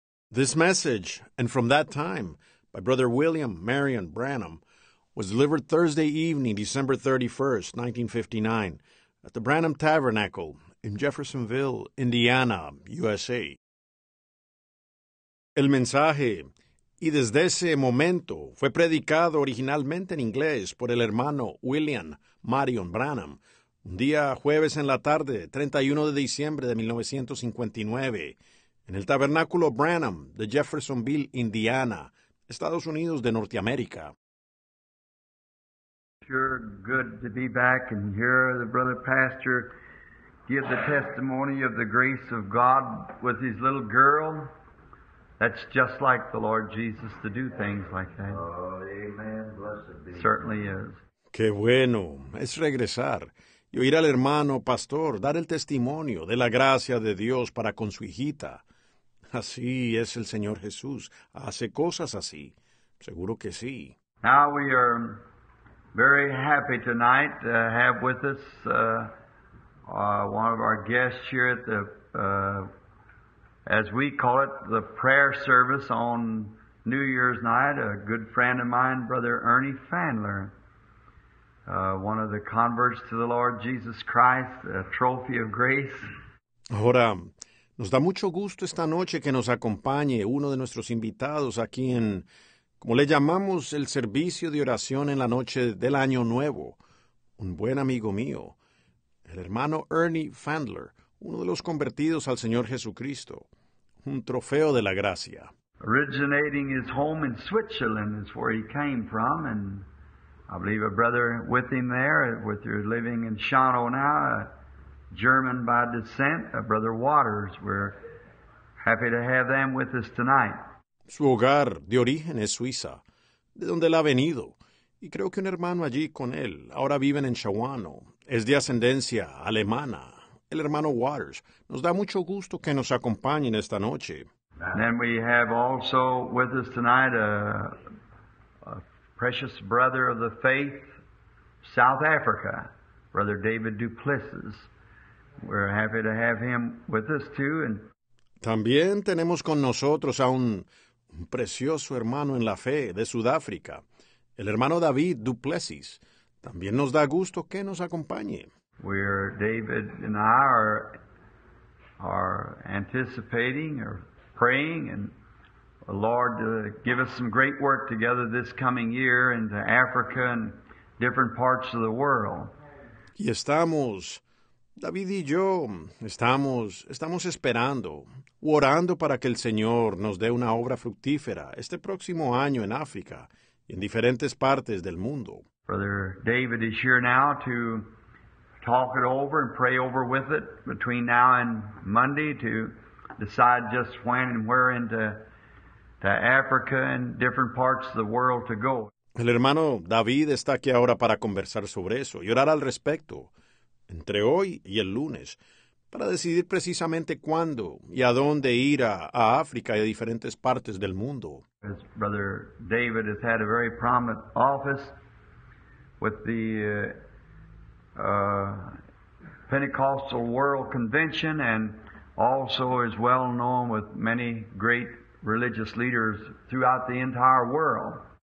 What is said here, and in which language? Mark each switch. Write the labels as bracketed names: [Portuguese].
[English] This message, and from that time, by Brother William Marion Branham, was delivered Thursday evening, December 31st, 1959, at the Branham Tabernacle in Jeffersonville, Indiana, USA. [Spanish] El mensaje, y desde ese momento, fue predicado originalmente en inglés por el hermano William Marion Branham, un día jueves en la tarde, 31 de diciembre de 1959, en el Tabernáculo Branham de Jeffersonville, Indiana, Estados Unidos de Norteamérica. [English] Sure, good to be back and hear the brother pastor give the testimony of the grace of God with his little girl. That's just like the Lord Jesus to do things like that. Oh, amen. Blessed be. Certainly is. [Spanish] Qué bueno es regresar y oír al hermano pastor dar el testimonio de la gracia de Dios para con su hijita. Así es el Señor Jesús. Hace cosas así. Seguro que sí. [English] Now we are very happy tonight to have with us one of our guests here at the, as we call it, the prayer service on New Year's night, a good friend of mine, Brother Ernie Fandler, one of the converts to the Lord Jesus Christ, a trophy of grace. [Spanish] Ahora, nos da mucho gusto esta noche que nos acompañe uno de nuestros invitados aquí en, como le llamamos, el servicio de oración en la noche del Año Nuevo, un buen amigo mío, el hermano Ernie Fandler, uno de los convertidos al Señor Jesucristo, un trofeo de la gracia. [English] Originating his home in Switzerland is where he came from, and I believe a brother with him there, with your living in Shano now, German by descent, a brother Waters. We're happy to have them with us tonight. [Spanish] Su hogar de origen es Suiza, de donde él ha venido, y creo que un hermano allí con él, ahora viven en Shawano, es de ascendencia alemana, el hermano Waters. Nos da mucho gusto que nos acompañen esta noche. [English] And then we have also with us tonight a precious brother of the faith, South Africa, Brother David Duplessis. We're happy to have him with us too. And [Spanish] también tenemos con nosotros a un precioso hermano en la fe de Sudáfrica, el hermano David Duplessis. También nos da gusto que nos acompañe. [English] We're David and I are anticipating or praying and the Lord to give us some great work together this coming year into Africa and different parts of the world. [Spanish] Y estamos, David y yo, estamos esperando, orando para que el Señor nos dé una obra fructífera este próximo año en África y en diferentes partes del mundo. [English] Brother David is here now to talk it over and pray over with it between now and Monday to decide just when and where into Africa and different parts of the world to go. [Spanish] El hermano David está aquí ahora para conversar sobre eso y orar al respecto, entre hoy y el lunes, para decidir precisamente cuándo y a dónde ir a África y a diferentes partes del mundo. [English] As Brother David has had a very prominent office with the Pentecostal World Convention and also is well known with many great religious leaders throughout the entire world.